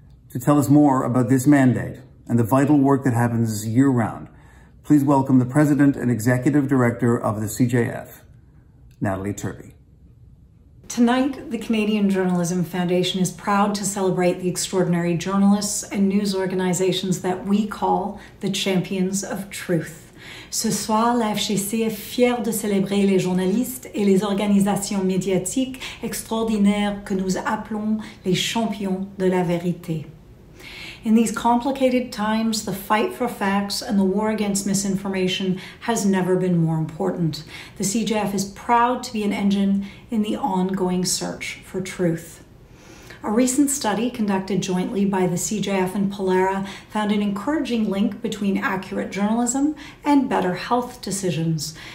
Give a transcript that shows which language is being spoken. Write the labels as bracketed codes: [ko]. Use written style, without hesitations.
[en] To tell us more about this mandate and the vital work that happens year-round, please welcome the President and Executive Director of the CJF, Natalie Turvey. Tonight, the Canadian Journalism Foundation is proud to celebrate the extraordinary journalists and news organizations that we call the champions of truth. [fr] Ce soir, la FGC est fière de célébrer les journalistes et les organisations médiatiques extraordinaires que nous appelons les champions de la vérité. [en] In these complicated times, the fight for facts and the war against misinformation has never been more important. The CJF is proud to be an engine in the ongoing search for truth. A recent study conducted jointly by the CJF and Polera found an encouraging link between accurate journalism and better health decisions.